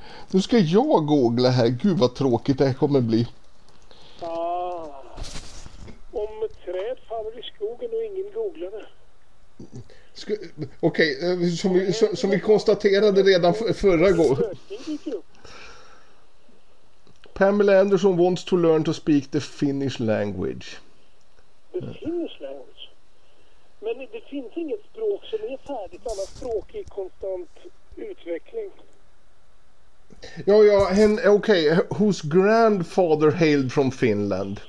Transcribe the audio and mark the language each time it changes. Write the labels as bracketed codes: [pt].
[sv] Nu ska jag googla här. Gud, vad tråkigt det här kommer bli. Om träd faller i skogen och ingen googlar det. Okej, som vi konstaterade redan förra gången. [en] Pamela Anderson wants to learn to speak the Finnish language. The Finnish language? [sv] Men det finns inget språk som är färdigt. Alla språk är konstant utveckling. Ja, okej. [en] Whose grandfather hailed from Finland?